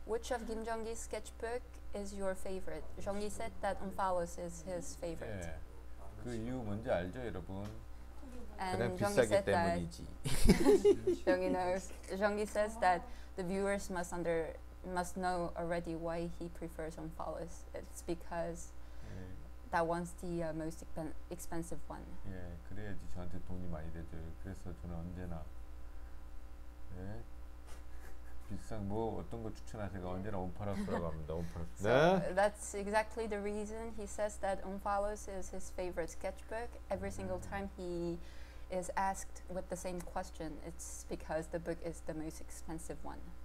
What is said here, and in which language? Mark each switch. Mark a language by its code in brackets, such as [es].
[en] Which of Kim Jong-gi's sketchbook is your favorite? Jong-gi said that Unfollows is his favorite. [ko] 네. 그 이유 뭔지 알죠, 여러분? [en] And [ko] 그냥 비싸기 때문이지. [en] Jong-gi knows. Jong-gi says that the viewers must under must know already why he prefers Unfollows. It's because 네. that one's the most expensive one. [ko] 예, 네. 그래야지 저한테 돈이 많이 되죠. 그래서 저는 언제나 네. 비싼 뭐 어떤 거 추천하세요? 언제나 온파라스라고 합니다. 온파라스. [en] So [ko] 네. [en] That's exactly the reason he says that Unfollows is his favorite sketchbook. Every single time he is asked with the same question, it's because the book is the most expensive one.